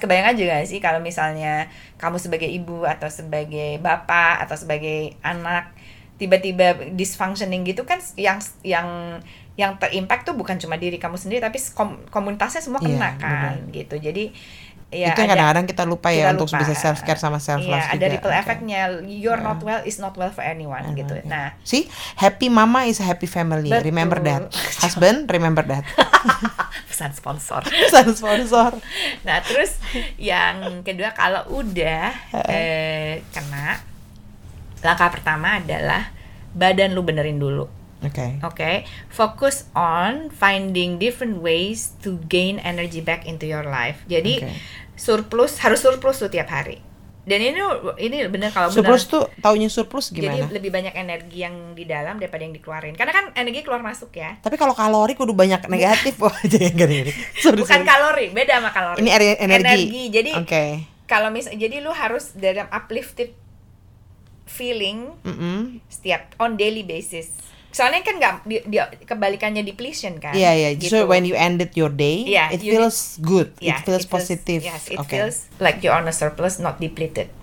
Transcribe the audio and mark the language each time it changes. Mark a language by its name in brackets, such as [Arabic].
[Indonesian] Kebayang aja gak sih kalau misalnya kamu sebagai ibu atau sebagai bapak atau sebagai anak tiba-tiba dysfunctioning gitu kan, yang terimpact tuh bukan cuma diri kamu sendiri tapi komunitasnya semua kena kan gitu. Jadi ya, itu yang kadang-kadang kita lupa ya, untuk bisa self care sama self love. Ada ripple effect-nya. [English] You're not well is not well for anyone [Indonesian] gitu. Nah, [English] see, happy mama is a happy family. [Indonesian] Betul. [English] Remember that. Husband, remember that. [Indonesian] Pesan sponsor. Pesan sponsor. Nah, terus yang kedua, kalau udah kena, langkah pertama adalah badan lu benerin dulu. [English] Okay. Focus on finding different ways to gain energy back into your life. [Indonesian] Jadi harus surplus tuh tiap hari. Dan ini benar, kalau surplus tuh taunya surplus gimana? Jadi lebih banyak energi yang di dalam daripada yang dikeluarin. Karena kan energi keluar masuk ya. Tapi kalau kalori kudu banyak negatif kok. Bukan kalori, beda sama kalori. Ini energi. Jadi kalau jadi lu harus dalam uplifted feeling setiap [English] on daily basis. [Indonesian] Soalnya kan gak di kebalikannya depletion kan. [English] Iya, yeah, iya. Yeah. [Indonesian] Gitu. [English] So when you ended your day, yeah, it feels good. Yeah, it feels positive. Yes, it feels like you're on a surplus, not depleted.